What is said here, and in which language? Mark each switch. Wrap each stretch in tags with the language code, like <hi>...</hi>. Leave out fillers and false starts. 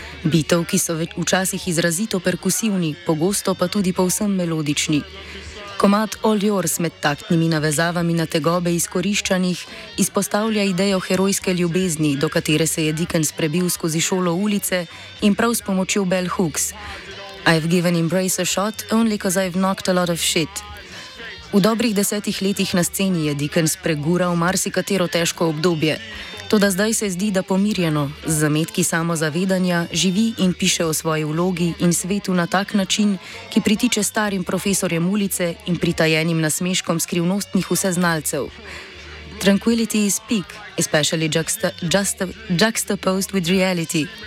<sl>Bitov, ki so včasih izrazito perkusivni, pogosto pa tudi povsem melodični. Komad All Yours med taktnimi navezavami na tegobe izkoriščanih izpostavlja idejo herojske ljubezni, do katere se je Dickens prebil skozi šolo ulice in prav s pomočjo bell hooks.</sl> <en>I've given Embrace a shot only 'cause I've knocked a lot of shit.</en> <sl>V dobrih 10 letih na sceni je Dickens pregural marsikatero težko obdobje. Toda zdaj se zdi, da pomirjeno, z zametki samozavedanja, živi in piše o svoji vlogi in svetu na tak način, ki pritiče starim profesorjem ulice in pritajenim nasmeškom skrivnostnih vseznalcev.</sl> <en>Tranquility is peak, especially juxtaposed with reality.</en>